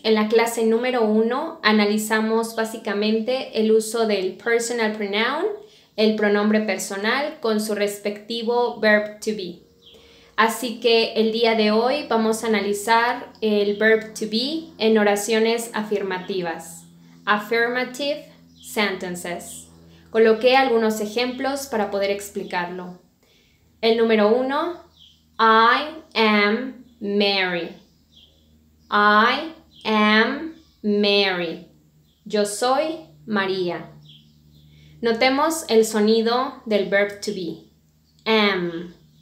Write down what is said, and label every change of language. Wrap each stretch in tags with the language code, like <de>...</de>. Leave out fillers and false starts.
<es>En la clase número 1 analizamos básicamente el uso del personal pronoun, el pronombre personal, con su respectivo verb to be. Así que el día de hoy vamos a analizar el verb to be en oraciones afirmativas.</es> <en>Affirmative sentences.</en> <es>Coloqué algunos ejemplos para poder explicarlo. El número 1.</es> <en>I am Mary. I am Mary.</en> <es>Yo soy María. Notemos el sonido del verb to be. Am.</es>